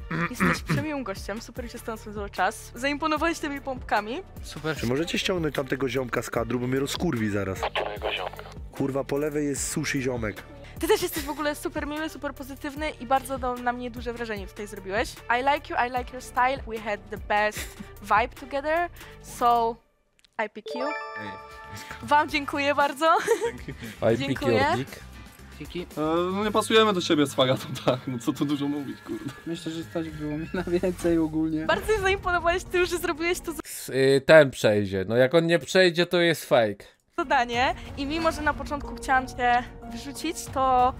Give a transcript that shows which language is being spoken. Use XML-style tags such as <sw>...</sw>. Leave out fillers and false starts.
<pl>Jesteś przemiłym gościem, super się stąd cały czas. Zaimponowałeś tymi pompkami. Super. Czy możecie ściągnąć tamtego ziomka z kadru, bo mnie rozkurwi zaraz. Którego ziomka? Kurwa, po lewej jest sushi ziomek. Ty też jesteś w ogóle super miły, super pozytywny i bardzo na mnie duże wrażenie tutaj zrobiłeś.</pl> <en>I like your style, we had the best vibe together, so I pick you.</en> <pl>Wam dziękuję bardzo. Dzięki.</pl> <en>I pick your dick.</en> <pl>Dzięki. No nie pasujemy do siebie z Fagatą, tak, no co tu dużo mówić, kurde. Myślę, że stać było mi na więcej ogólnie. Bardzo się zaimponowałeś, ty już zrobiłeś to. Ten przejdzie, no jak on nie przejdzie, to jest fake. Zadanie i mimo, że na początku chciałam cię wyrzucić, to...</pl>